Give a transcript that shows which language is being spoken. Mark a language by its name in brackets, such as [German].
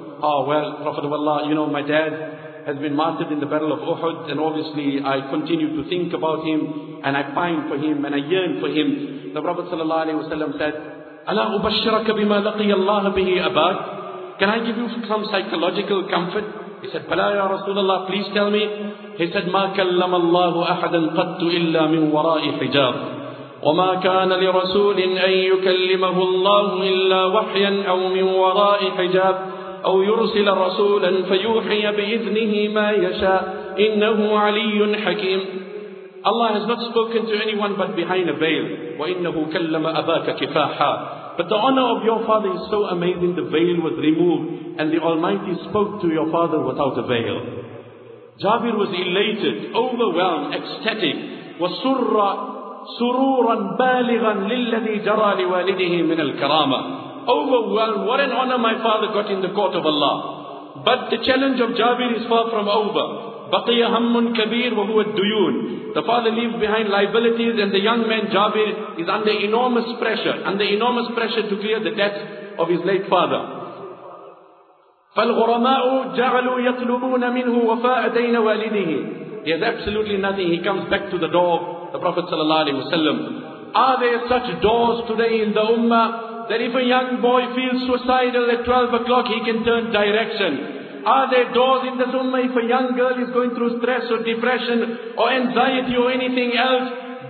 [English] Ah, well, Prophet of Allah, you know, my dad has been martyred in the battle of Uhud, and obviously I continue to think about him, and I pine for him, and I yearn for him. The Prophet sallallahu alaihi wasallam said, [Arabic] "Ala ubashshiraka bima laqiya Allah bihi abak." [English] Can I give you some psychological comfort? He said, [Arabic] "Bala ya Rasulullah, please tell me." [English] He said, [Arabic] "Ma kallama Allahu ahadan qattu illa min wara'i hijab. وما كان لرسول أن يكلمه الله إلا وحيا أو من وراء حجاب أو يرسل رسولا فيوحي بإذنه ما يشاء إنه علي حكيم." [English] Allah has not spoken to anyone but behind a veil. [Arabic] وإنه كلم أباك كفاحا. [English] But the honor of your father is so amazing, the veil was removed and the Almighty spoke to your father without a veil. Jabir was elated, overwhelmed, ecstatic. [Arabic] وسر سرورا بالغا للذي جرى لوالده من الكرامة. [English] Overwhelmed, what an honor my father got in the court of Allah. But the challenge of Jabir is far from over. [Arabic] بقي هم كبير وهو الديون. [English] The father leaves behind liabilities, and the young man Jabir is under enormous pressure to clear the debts of his late father. [Arabic] فالغرماء جعلوا يطلبون منه وفاء دين والده. [English] He has absolutely nothing. He comes back to the door of the Prophet sallallahu alaihi wasallam. Are there such doors today in the ummah that if a young boy feels suicidal at 12 o'clock, he can turn direction? Are there doors in this ummah if a young girl is going through stress or depression or anxiety or anything else?